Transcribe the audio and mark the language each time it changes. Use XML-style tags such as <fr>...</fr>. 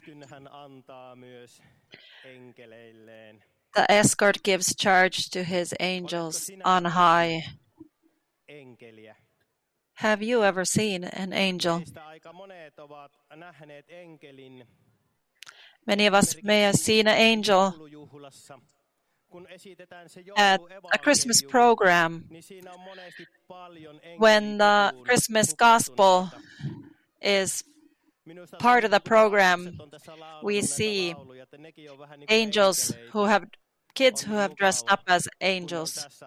<fi>Hän antaa myös enkeleilleen.</fi> <en>The escort gives charge to his angels on high.</en> <fi>Enkeliä.</fi> <en>Have you ever seen an angel?</en> <fi>Aika monet ovat nähneet enkelin.</fi> <en>Many of us may have seen an angel at a Christmas program, when the Christmas gospel is part of the program, we see angels who have kids who have dressed up as angels.</en>